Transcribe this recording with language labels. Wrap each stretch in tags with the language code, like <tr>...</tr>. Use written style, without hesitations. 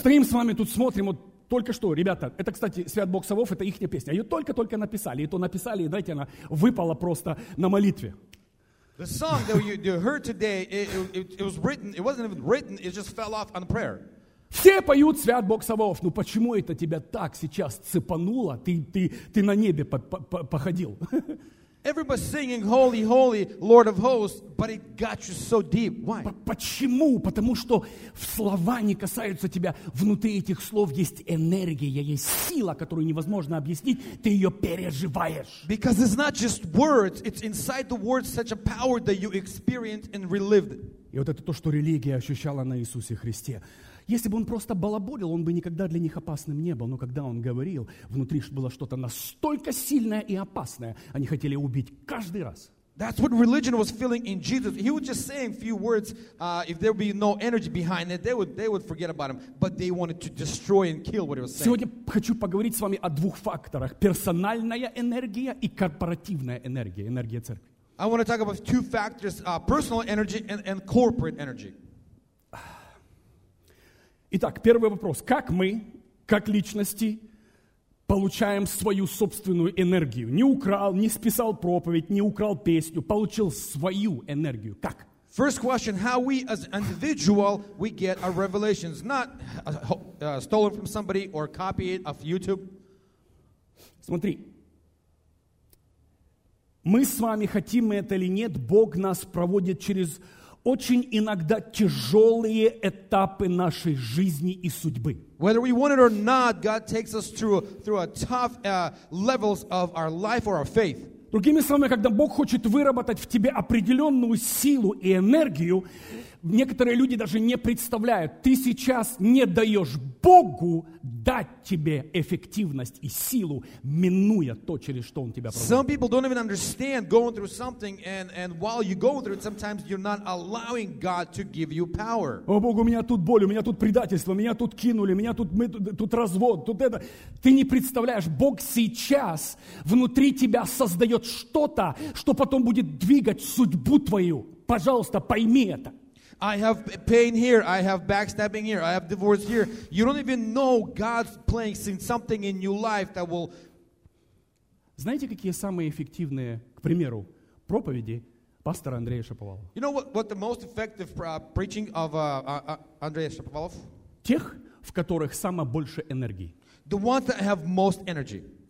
<ru>Стоим с вами тут, смотрим, вот. Только что, ребята, это, кстати, «Свят Бог Савов», это ихняя песня. Ее только-только написали. И то написали, и, знаете, она выпала просто на молитве.</ru> <en>The song that you heard today, it was written, it wasn't even written, it just fell off on prayer.</en> <ru>Все поют «Свят Бог Савов». Ну почему это тебя так сейчас цепануло? Ты на небе походил.</ru> <en>Everybody's singing holy, holy, Lord of hosts, but it got you so deep. Why?</en> <ru>Почему? Потому что слова не касаются тебя. Внутри этих слов есть энергия, есть сила, которую невозможно объяснить. Ты ее переживаешь.</ru> <en>Because it's not just words. It's inside the words such a power that you experience and relive.</en> <ru>И вот это то, что религия ощущала на Иисусе Христе. Если бы он просто балаболил, он бы никогда для них опасным не был. Но когда он говорил, внутри было что-то настолько сильное и опасное, они хотели убить каждый раз.</ru> <en>That's what religion was feeling in Jesus. He was just saying a few words. If there would be no energy behind it, they would forget about him. But they wanted to destroy and kill what he was saying.</en> <ru>Сегодня хочу поговорить с вами о двух факторах. Персональная энергия и корпоративная энергия, энергия церкви.</ru> <en>I want to talk about two factors, personal energy and corporate energy.</en> <ru>Итак, первый вопрос. Как мы, как личности, получаем свою собственную энергию? Не украл, не списал проповедь, не украл песню, получил свою энергию. Как?</ru> <en>First question, how we as individual, we get our revelations, not stolen from somebody or copied off YouTube?</en> <ru>Смотри, Мы с вами, хотим мы это или нет, Бог нас проводит через очень иногда тяжелые этапы нашей жизни и судьбы.</ru> <en>Whether we want it or not, God takes us through a tough levels of our life or our faith.</en> <ru>Другими словами, когда Бог хочет выработать в тебе определенную силу и энергию, некоторые люди даже не представляют, ты сейчас не даешь Богу дать тебе эффективность и силу, минуя то, через что Он тебя проводит.</ru> <en>Some people don't even understand going through something, and while you go through it, sometimes you're not allowing God to give you power.</en> <ru>О, Бог, у меня тут боль, у меня тут предательство, меня тут кинули, меня тут, мы, тут развод, тут это. Ты не представляешь, Бог сейчас внутри тебя создает что-то, что потом будет двигать судьбу твою. Пожалуйста, пойми это.</ru> <en>I have pain here, I have backstabbing here, I have divorce here. You don't even know God's placing something in your life that will...</en> <ru>Знаете, какие самые эффективные, к примеру, проповеди пастора Андрея Шаповалова?</ru> <en>You know what the most effective preaching of Andrei Shapovalov?</en> <ru>Тех, в которых самое больше энергии.</ru> <en>The ones that have most energy.</en>